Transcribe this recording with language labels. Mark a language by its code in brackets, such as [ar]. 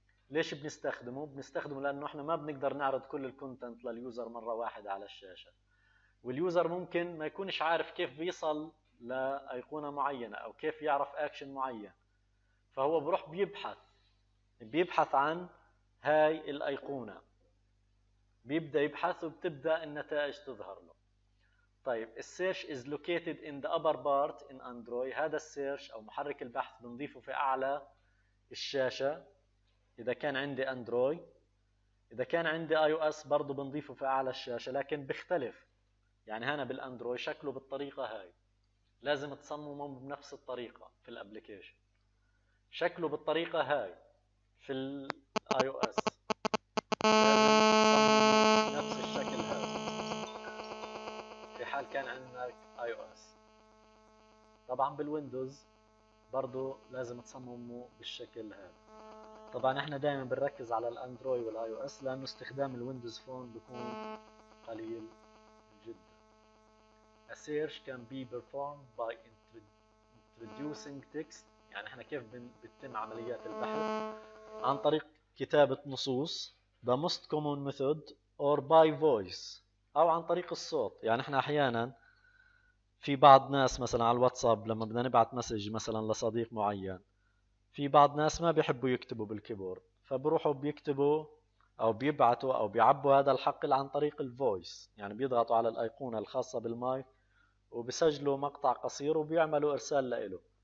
[ar] ليش بنستخدمه؟ بنستخدمه لانه احنا ما بنقدر نعرض كل الكونتنت لليوزر مره واحده على الشاشه، واليوزر ممكن ما يكونش عارف كيف بيصل لايقونه معينه او كيف يعرف اكشن معين، فهو بروح بيبحث عن هاي الايقونه، بيبدأ يبحث وبتبدأ النتائج تظهر له. طيب الـ [en] search is located in the upper part in Android. [ar] هذا الـ search أو محرك البحث بنضيفه في أعلى الشاشة إذا كان عندي أندرويد، إذا كان عندي iOS برضو بنضيفه في أعلى الشاشة، لكن بيختلف. يعني هنا بالأندرويد شكله بالطريقة هاي، لازم تصممه بنفس الطريقة في الأبليكيشن، شكله بالطريقة هاي في الـ iOS لازم تصمم نفس الشكل هذا في حال كان عندك iOS. طبعا بالويندوز برضو لازم تصممه بالشكل هذا. طبعا احنا دائما بنركز على الاندرويد والiOS لانه استخدام الويندوز فون بيكون قليل جدا. [en] A search can be performed by introducing text. [ar] يعني احنا كيف بتتم عمليات البحث؟ عن طريق كتابة نصوص، [en] the most common method, or by voice [ar] أو عن طريق الصوت. يعني احنا احيانا في بعض ناس مثلا على الواتساب لما بدنا نبعث مسج مثلا لصديق معين، في بعض ناس ما بيحبوا يكتبوا بالكيبورد، فبروحوا بيكتبوا او بيبعتوا او بيعبوا هذا الحقل عن طريق الفويس، يعني بيضغطوا على الايقونة الخاصة بالمايك وبسجلوا مقطع قصير وبيعملوا ارسال له.